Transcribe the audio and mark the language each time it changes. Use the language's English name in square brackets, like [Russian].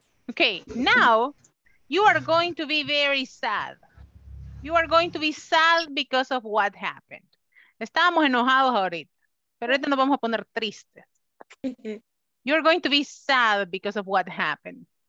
[English] Okay, now you are going to be very sad. You are going to be sad because of what happened. [Spanish] Estábamos enojados ahorita, pero ahorita nos vamos a poner tristes. [English] You're going to be sad because of what happened.